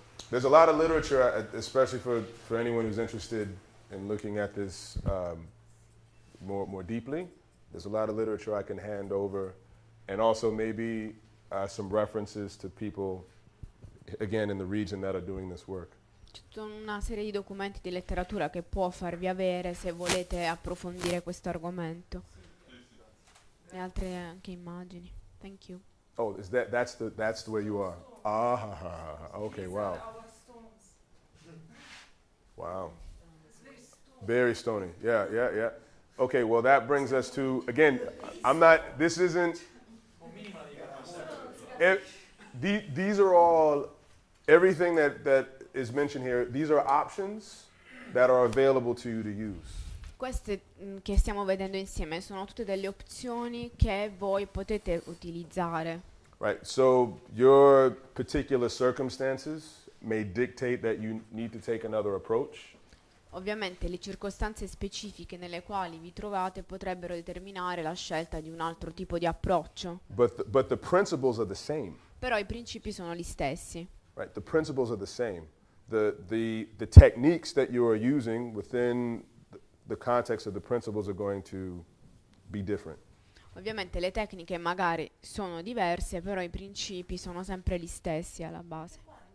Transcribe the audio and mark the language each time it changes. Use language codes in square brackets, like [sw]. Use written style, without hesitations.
[en] There's a lot of literature, especially for anyone who's interested in looking at this more deeply. There's a lot of literature I can hand over, and also maybe some references to people, again, in the region that are doing this work. [it] Una serie di documenti di letteratura che può farvi avere se volete approfondire questo argomento. E altre anche immagini. [en] Thank you. Oh, is that that's the way you are? Okay, These wow. are our stones. Wow. Very It's stony. Okay, well, that brings us to, again, I'm not, this isn't, these are all, everything that is mentioned here, these are options that are available to you to use. [it] Queste che stiamo vedendo insieme sono tutte delle opzioni che voi potete utilizzare. [en] Right, so your particular circumstances may dictate that you need to take another approach. [it] Ovviamente le circostanze specifiche nelle quali vi trovate potrebbero determinare la scelta di un altro tipo di approccio. [en] But the principles are the same. [it] Però i principi sono gli stessi. [en] Right, the principles are the same. The techniques that you are using within the context of the principles are going to be different. [it] Ovviamente le tecniche magari sono diverse, però i principi sono sempre gli stessi alla base.